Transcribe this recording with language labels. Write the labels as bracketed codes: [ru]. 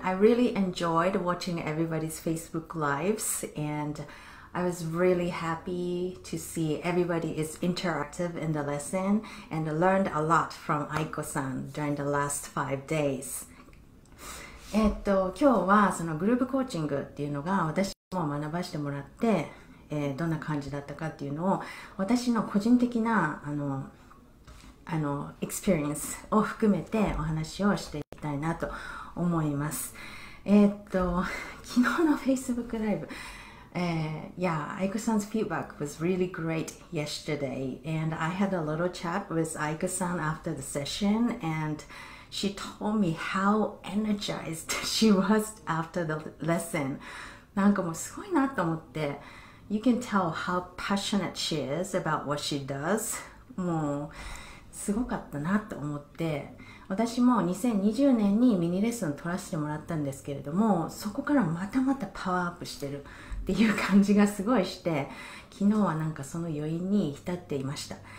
[en] I really enjoyed watching everybody's Facebook lives, and I was really happy to see everybody is interactive in the lesson and learned a lot from Aiko-san during the last 5 days. [ja] 今日はそのグループコーチングっていうのが私も学ばせてもらって、どんな感じだったかっていうのを私の個人的なあのエクスペリエンスを含めてお話をしていきたいなと思います。昨日の [en] Facebook ライブ、Yeah, Aiko-san's feedback was really great yesterday, and I had a little chat with Aiko-san after the session, andShe told me how energized she was after the lesson. [ja] なんかもうすごいなと思って。 [en] You can tell how passionate she is about what she does. [ja] もうすごかったなと思って。私も2020年にミニレッスン取らせてもらったんですけれども、そこからまたまたパワーアップしてるっていう感じがすごいして、昨日はなんかその余韻に浸っていました。